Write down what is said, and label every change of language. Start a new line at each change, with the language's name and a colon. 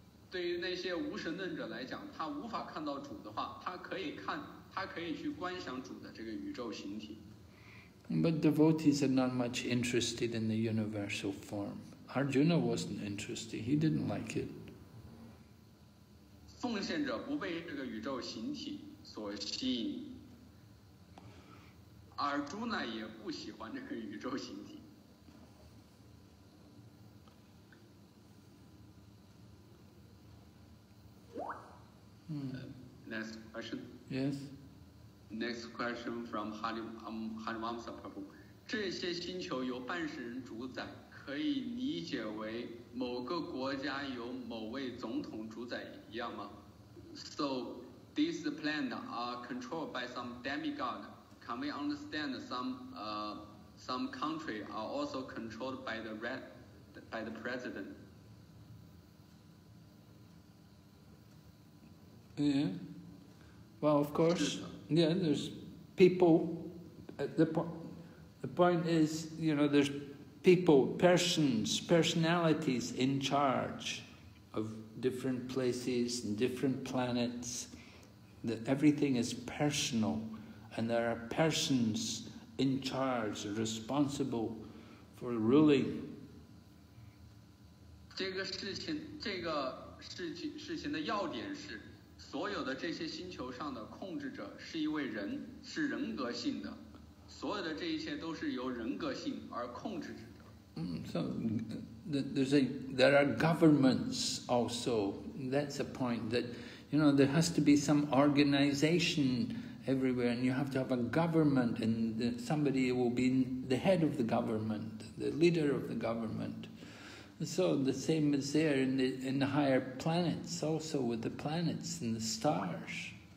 Chinese: 对于那些无神论者来讲，他无法看到主的话，他可以去观想主的这个宇宙形体。
English: But devotees are not much interested in the universal form. Arjuna wasn't interested. He didn't like it.
Chinese: 奉献者不被这个宇宙形体所吸引。 Arjuna 也不喜欢这个宇宙形体。
English: Next question. Yes. Next question from Harimamsa Prabhu.
Chinese: 这些星球由半世人主宰。可以理解为某个国家由某位总统主宰一样吗？
English: So these planets are controlled by some demigod. Can we understand some country are also controlled by the president? Yeah. Well, of course. Yeah, there's people. The point is, you know, there's.People, persons, personalities in charge of different places and different planets, that everything is personal and there are persons in charge, responsible for ruling.
Chinese: 这个事情的要点是所有的这些星球上的控制者是一位人，是人格性的，所有的这一切都是由人格性而控制着的。
English: So there are governments also. That's a point that, you know, there has to be some organization everywhere, and you have to have a government, and somebody will be the head of the government, the leader of the government. So the same is there in the higher planets, also with the planets and the stars.